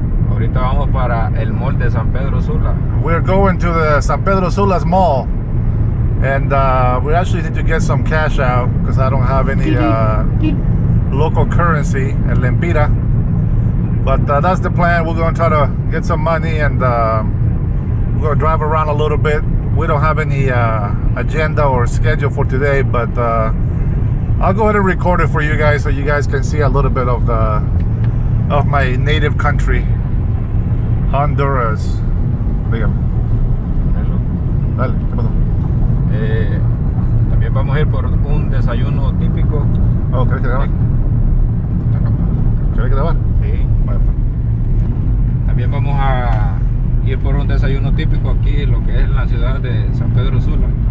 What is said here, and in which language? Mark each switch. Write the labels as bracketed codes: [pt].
[es] Ahorita vamos para el mall de San Pedro Sula. [en] We're going to the San Pedro Sula's mall. And we actually need to get some cash out because I don't have any local currency, el lempira. But that's the plan. We're going to try to get some money and we're going to drive around a little bit. We don't have any agenda or schedule for today, but I'll go ahead and record it for you guys so you guys can see a little bit of the of my native country, Honduras. [es] Dígame. [en] Hello. [es] Dale, ¿qué pasó? También vamos a ir por un desayuno típico. Oh, ¿querés grabar? ¿Querés grabar? Sí. Vale. También vamos a ir por un desayuno típico aquí, lo que es la ciudad de San Pedro Sula.